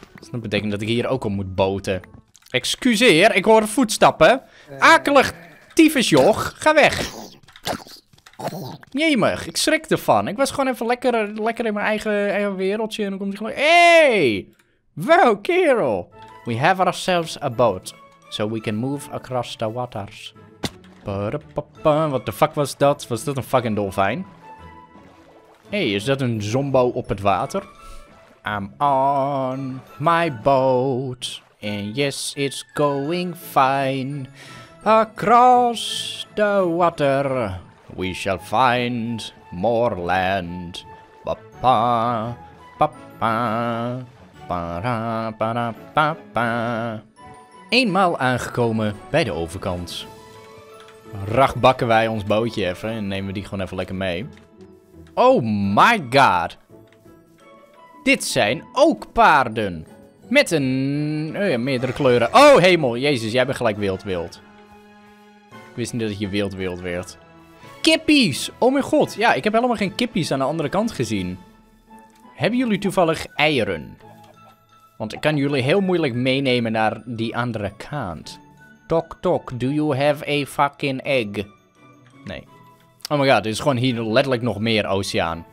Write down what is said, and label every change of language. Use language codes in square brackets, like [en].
[nl] Dat betekent dat ik hier ook al moet boten. Excuseer, ik hoor voetstappen. Akelig, tyfusjoch. Ga weg. Jemig, ik schrik ervan. Ik was gewoon even lekker in mijn eigen wereldje. En dan komt hij gewoon... Hey! Wow, kerel. [en] We have ourselves a boat. So we can move across the waters. What the fuck was dat? [nl] Was dat een fucking dolfijn? Hey, is dat een zombo op het water? [en] I'm on my boat. And yes, it's going fine. Across the water. We shall find more land. Papa, papa, para, para, papa. [nl] Eenmaal aangekomen bij de overkant. Ragbakken wij ons bootje even en nemen we die gewoon even lekker mee. [en] Oh my god. [nl] Dit zijn ook paarden. Met een... Oh ja, meerdere kleuren. Oh hemel, jezus, jij bent gelijk wild. Ik wist niet dat je wild werd. Kippies! Oh mijn god, ja, ik heb helemaal geen kippies aan de andere kant gezien. Hebben jullie toevallig eieren? Want ik kan jullie heel moeilijk meenemen naar die andere kant. [en] Tok tok, do you have a fucking egg? [nl] Nee. [en] Oh my god, [nl] er is gewoon hier letterlijk nog meer oceaan.